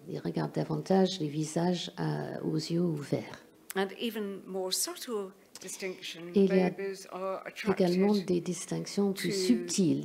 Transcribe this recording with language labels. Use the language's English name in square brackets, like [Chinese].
[French] Il regarde davantage les visages aux yeux ouverts. [English] And even more subtle distinction, [French] et il y a également des distinctions plus subtiles.